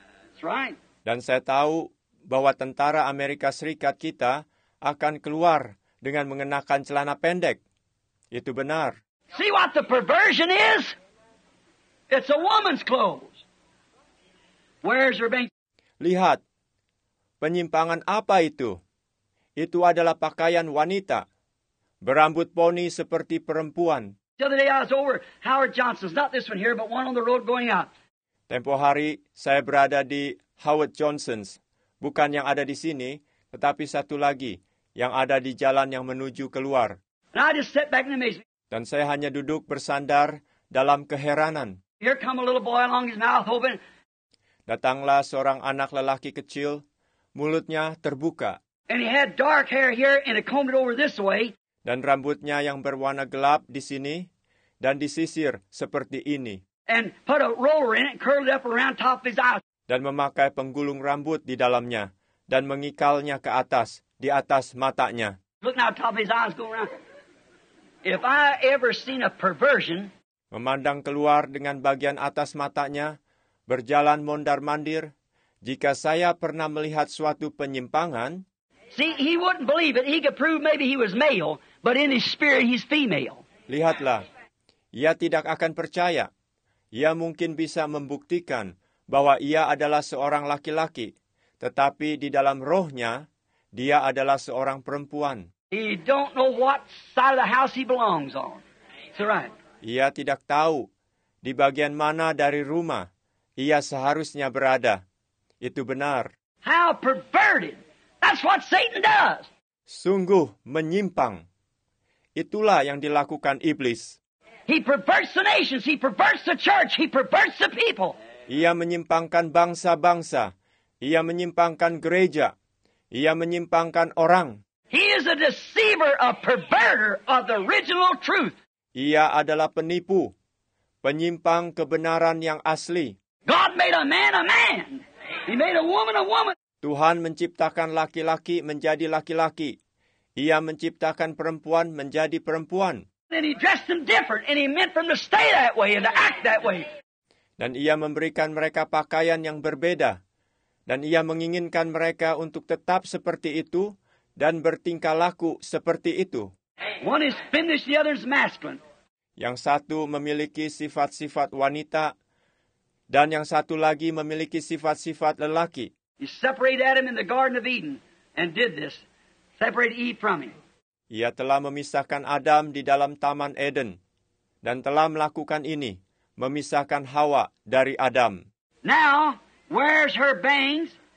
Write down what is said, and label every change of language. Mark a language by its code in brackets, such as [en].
[en] That's right. [id] Dan saya tahu bahwa tentara Amerika Serikat kita akan keluar dengan mengenakan celana pendek. Itu benar. [en] See what the perversion is? It's a woman's clothes. Where's her being? [id] Lihat, penyimpangan apa itu? Itu adalah pakaian wanita, berambut poni seperti perempuan. [en] The other day I was over Howard Johnson's, not this one here, but one on the road going out. [id] Tempo hari saya berada di Howard Johnson's, bukan yang ada di sini, tetapi satu lagi yang ada di jalan yang menuju keluar. [en] And I just sat back in amazement. [id] Dan saya hanya duduk bersandar dalam keheranan. [en] Here come a little boy along his mouth open. [id] Datanglah seorang anak lelaki kecil, mulutnya terbuka. [en] And he had dark hair here and it combed it over this way. [id] Dan rambutnya yang berwarna gelap di sini dan disisir seperti ini. [en] And put a roller in it and curled it up around top of his eyes. [id] Dan memakai penggulung rambut di dalamnya dan mengikalnya ke atas, di atas matanya. [en] Look now, top of his eyes going around. If I ever seen a perversion, [id] memandang keluar dengan bagian atas matanya, berjalan mondar-mandir, jika saya pernah melihat suatu penyimpangan. [en] See, he wouldn't believe it. He could prove maybe he was male, but in his spirit he's female. [id] Lihatlah, ia tidak akan percaya. Ia mungkin bisa membuktikan bahwa ia adalah seorang laki-laki, tetapi di dalam rohnya, dia adalah seorang perempuan. [en] He don't know what side of the house he belongs on. Is that right? [id] Ia tidak tahu di bagian mana dari rumah ia seharusnya berada. Itu benar. [en] How perverted! That's what Satan does. [id] Sungguh menyimpang. Itulah yang dilakukan iblis. [en] He perverts the nations. He perverts the church. He perverts the people. [id] Ia menyimpangkan bangsa-bangsa. Ia menyimpangkan gereja. Ia menyimpangkan orang. [en] He is a deceiver, a perverter of the original truth. [id] Ia adalah penipu. Penyimpang kebenaran yang asli. [en] God made a man a man. He made a woman a woman. [id] Tuhan menciptakan laki-laki menjadi laki-laki. Ia menciptakan perempuan menjadi perempuan. [en] And he dressed them different and he meant for them to stay that way and to act that way. [id] Dan ia memberikan mereka pakaian yang berbeda. Dan ia menginginkan mereka untuk tetap seperti itu dan bertingkah laku seperti itu. [en] One is feminine, the other is masculine. [id] Yang satu memiliki sifat-sifat wanita dan yang satu lagi memiliki sifat-sifat lelaki. [en] He separated Adam in the Garden of Eden and did this. Separated Eve from him. [id] Ia telah memisahkan Adam di dalam Taman Eden dan telah melakukan ini, memisahkan Hawa dari Adam. [en] Now, where's her bangs?